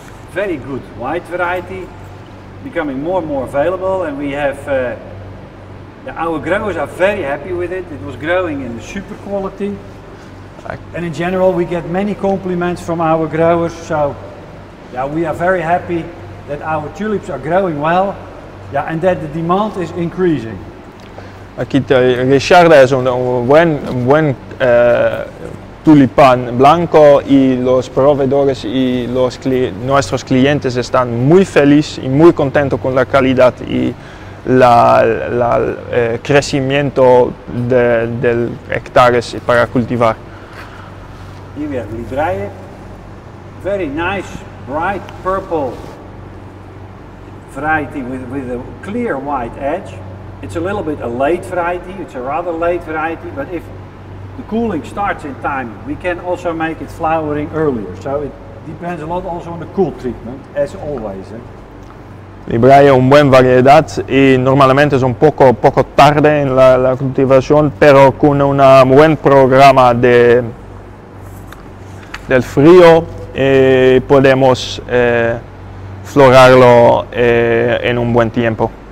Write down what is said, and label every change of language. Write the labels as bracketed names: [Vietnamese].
[English] Very good white variety, becoming more and more available, and we have our growers are very happy with it. It was growing in the super quality, and in general we get many compliments from our growers. So, yeah, we are very happy that our tulips are growing well, yeah, and that the demand is increasing. [Portuguese] Aqui tem [Spanish] Richarda, é um bom tulipán blanco y los proveedores y los nuestros clientes están muy felices y muy contentos con la calidad y el crecimiento de hectáreas para cultivar. [English] Here we have Libraille, very nice bright purple variety with a clear white edge. It's a little bit a late variety, it's a rather late variety, but if the cooling starts in time, we can also make it flowering earlier. So it depends a lot also on the cool treatment, as always. [Spanish] Libraille es una buena variedad y normalmente es un poco tarde en la cultivación, pero con un buen programa del frío podemos florarlo en un buen tiempo.